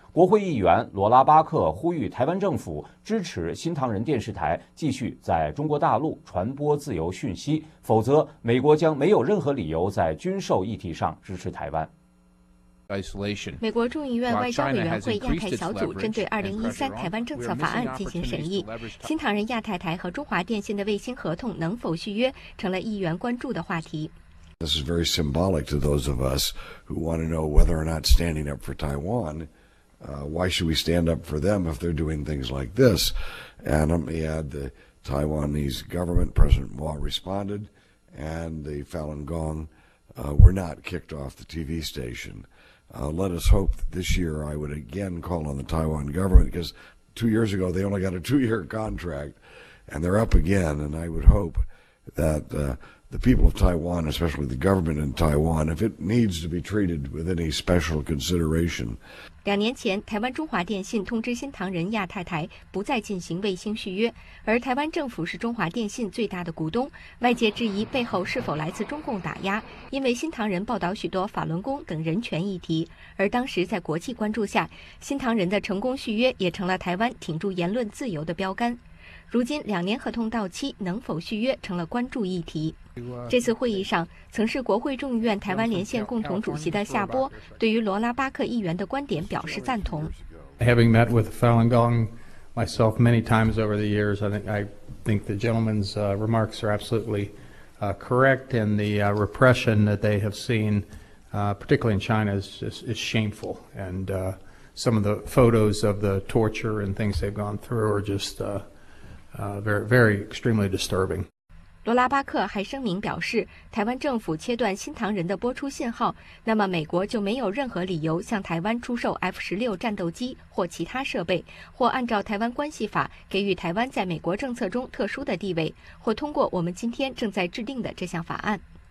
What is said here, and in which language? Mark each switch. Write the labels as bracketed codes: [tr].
[zh] 国会议员罗拉巴克呼吁台湾政府支持新唐人电视台继续在中国大陆传播自由讯息，否则美国将没有任何理由在军售议题上支持台湾。美国众议院外交委员会亚太小组针对2013台湾政策法案进行审议，新唐人亚太台和中华电信的卫星合同能否续约成了议员关注的话题。 [en] This is very symbolic to those of us who want to know whether or not standing up for Taiwan, why should we stand up for them if they're doing things like this? And let me add, the Taiwanese government, President Ma responded, and the Falun Gong were not kicked off the TV station. Let us hope that this year I would again call on the Taiwan government, because 2 years ago they only got a 2-year contract, and they're up again, and I would hope that the people of Taiwan, especially the government in Taiwan, if it needs to be treated with any special consideration. [zh] 两年前，台湾中华电信通知新唐人亚太台不再进行卫星续约，而台湾政府是中华电信最大的股东，外界质疑背后是否来自中共打压，因为新唐人报道许多法轮功等人权议题，而当时在国际关注下，新唐人的成功续约也成了台湾挺住言论自由的标杆。如今两年合同到期，能否续约成了关注议题。这次会议上，曾是国会众议院台湾连线共同主席的夏波对于罗拉巴克议员的观点表示赞同。 [en] Having met with Falun Gong myself many times over the years, I think the gentleman's remarks are absolutely correct, and the repression that they have seen, particularly in China, is shameful. And some of the photos of the torture and things they've gone through are just very, very extremely disturbing. [zh] 罗拉巴克还声明表示，台湾政府切断新唐人的播出信号，那么美国就没有任何理由向台湾出售 F-16 战斗机或其他设备，或按照台湾关系法给予台湾在美国政策中特殊的地位，或通过我们今天正在制定的这项法案。